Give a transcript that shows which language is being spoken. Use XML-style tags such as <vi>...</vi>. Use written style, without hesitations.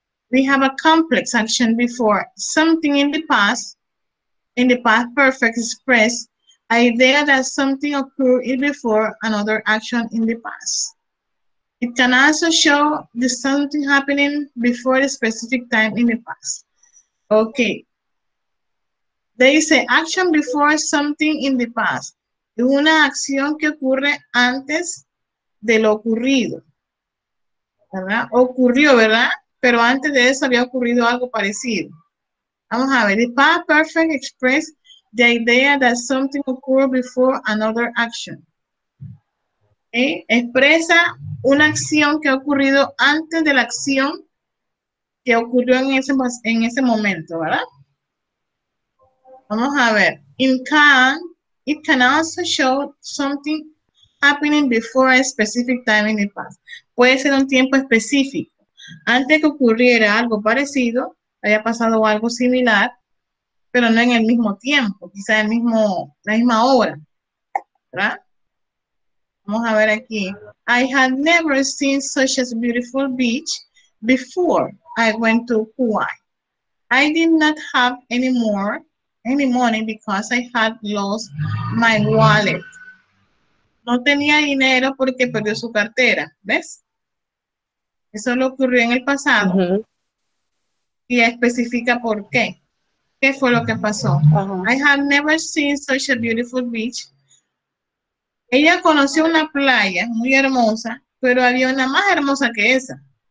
<en>We have a complex action before. Something in the past perfect express, idea that something occurred before another action in the past. It can also show the something happening before a specific time in the past. Okay. They say action before something in the past.</en> <es>Una acción que ocurre antes de lo ocurrido. ¿Verdad? Ocurrió, ¿verdad? Pero antes de eso había ocurrido algo parecido. Vamos a ver.</es> <en>The past perfect express the idea that something occurred before another action. Okay.</en> <es>Expresa una acción que ha ocurrido antes de la acción que ocurrió en ese momento, ¿verdad? Vamos a ver.</es> <en>It can also show something happening before a specific time in the past.</en> <es>Puede ser un tiempo específico. Antes que ocurriera algo parecido, haya pasado algo similar, pero no en el mismo tiempo, quizá el mismo, la misma hora, ¿verdad? Vamos a ver aquí.</es> <en>I had never seen such a beautiful beach before I went to Hawaii. I did not have any money because I had lost my wallet.</en> <es>No tenía dinero porque perdió su cartera, ¿ves? Eso lo ocurrió en el pasado. Y especifica por qué. ¿Qué fue lo que pasó?</es> <en>I had never seen such a beautiful beach.</en> <es>Ella conoció una playa muy hermosa, pero había una más hermosa que esa.</es>